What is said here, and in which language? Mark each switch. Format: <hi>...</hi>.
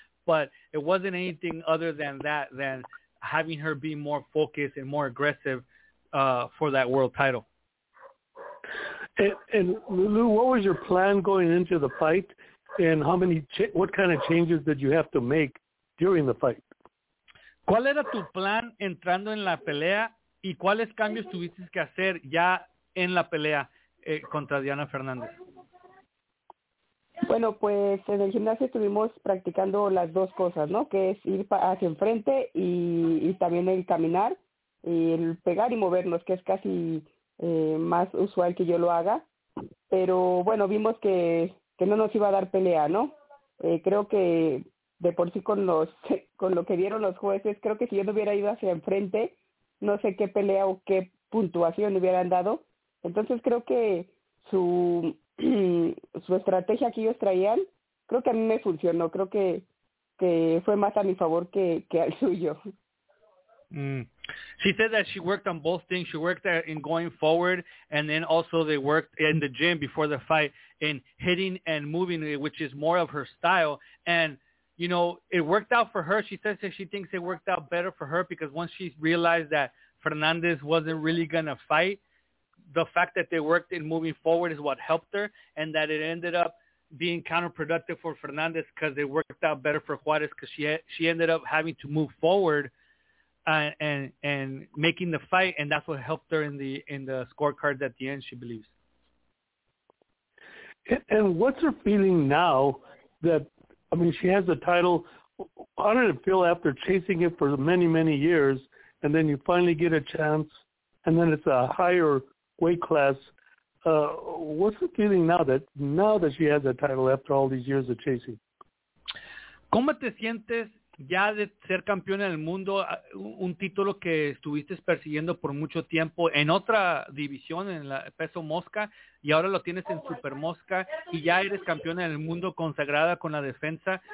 <en>But it wasn't anything other than that, than having her be more focused and more aggressive for that world title. And Lulu, what was your plan going into the fight? And how many, what kind of changes did you have to make during the fight?</en> <es>¿Cuál era tu plan entrando en la pelea y cuáles cambios tuviste que hacer ya en la pelea contra Diana Fernández? Bueno, pues en el gimnasio estuvimos practicando las dos cosas, ¿no? Que es ir hacia enfrente y también el caminar, y el pegar y movernos, que es casi más usual que yo lo haga. Pero bueno, vimos que no nos iba a dar pelea, ¿no? Creo que... De por sí con lo que dieron los jueces, creo que si yo no hubiera ido hacia enfrente, no sé qué pelea o qué puntuación hubieran dado. Entonces creo que su estrategia que ellos traían, creo que a mí me funcionó. Creo que fue más a mi favor que al suyo. Mm.</es> <en>She said that she worked on both things. She worked in going forward, and then also they worked in the gym before the fight in hitting and moving, which is more of her style. And you know, it worked out for her. She says that she thinks it worked out better for her because once she realized that Fernandez wasn't really going to fight, the fact that they worked in moving forward is what helped her, and that it ended up being counterproductive for Fernandez because it worked out better for Juarez because she ended up having to move forward and making the fight, and that's what helped her in the scorecard at the end, she believes. And what's her feeling now that, I mean, she has the title. How did it feel after chasing it for many, many years, and then you finally get a chance, and then it's a higher weight class? What's the feeling now that she has the title after all these years of chasing?</en> <es>¿Cómo te sientes ya de ser campeona del mundo, un título que estuviste persiguiendo por mucho tiempo en otra división, en la peso mosca, y ahora lo tienes en super mosca, y ya eres campeona del mundo consagrada con la defensa?</es>